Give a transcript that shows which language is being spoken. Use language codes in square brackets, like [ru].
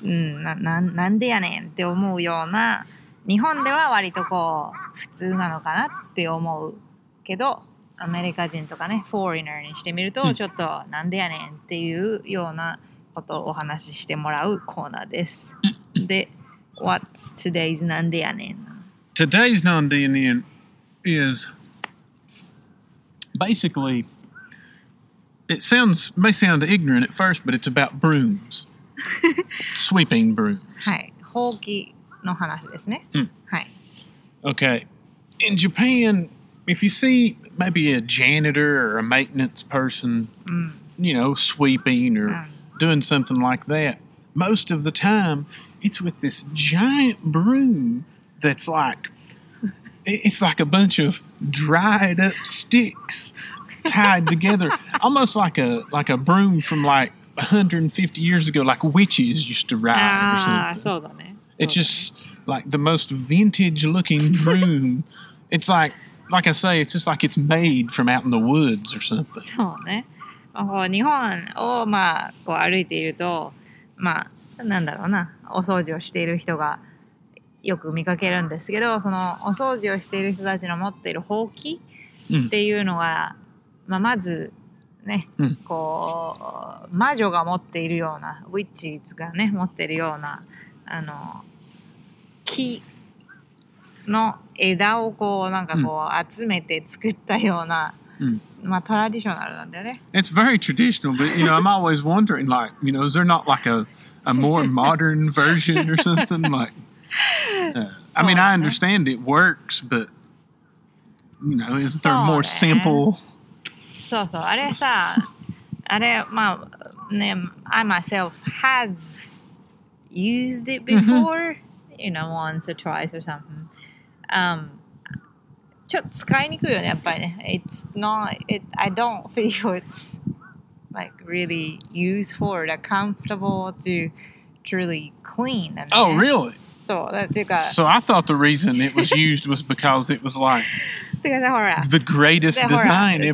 [ja] うん、なんでやねんって思うような、日本では割とこう普通なのかなって思うけど、アメリカ人とかね、フォーリナーにしてみると、ちょっとなんでやねんっていうようなことをお話ししてもらうコーナーです。で、 [en] What's today's なんでやねん? Today's なんでやねん is basically, may sound ignorant at first, but it's about brooms. Sweeping brooms. [ja] はい、ほうきの話ですね。はい。 [en] Okay. In Japan, if you see maybe a janitor or a maintenance person, you know, sweeping or doing something like that, most of the time it's with this giant broom that's like, it's like a bunch of dried up sticks tied together, almost like a broom from like 150 years ago, like witches used to ride or something. It's just like the most vintage looking broom. It's like I say, it's just like it's made from out in the woods or something. [ja] そうね。日本をまあこう歩いていると、まあなんだろうな、お掃除をしている人がよく見かけるんですけど、そのお掃除をしている人たちの持っているほうきっていうのは、まあまずね、こう魔女が持っているような、ウィッチーズがね持っているような、あの木の枝をこうなんかこう集めて作ったような、まあトラディショナルなんだよね。 [en] It's very traditional, but you know, I'm always wondering, like, you know, is there not like a more modern version or something? Like, I mean, I understand it works, but you know, is there more simple? [ja] そうそう、あれさ、あれまあね、 [en] I myself has used it before, you know, once or twice or something. [ja] ちょっと使いにくいよね、やっぱりね。 [en] It's not, it, I don't feel it's like really useful or comfortable to truly clean. Oh, yeah. Really? [ja] そう、だってか。 [en] So I thought the reason it was used was because it was like the greatest design ever made.